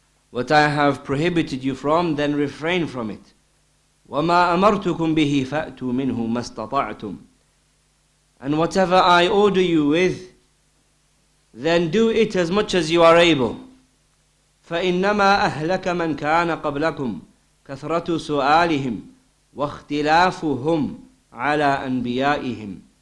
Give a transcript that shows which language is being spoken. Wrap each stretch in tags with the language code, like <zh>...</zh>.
<en>What I have prohibited you from, then refrain from it.</en> <ar>وما أمرتكم به فأتوا منه ما استطعتم.</ar> <en>And whatever I order you with, then do it as much as you are able.</en> <ar>فَإِنَّمَا أَهْلَكَ مَنْ كَانَ قَبْلَكُمْ كَثْرَةُ سُؤَالِهِمْ وَاخْتِلَافُهُمْ عَلَىٰ أَنْبِيَائِهِمْ.</ar>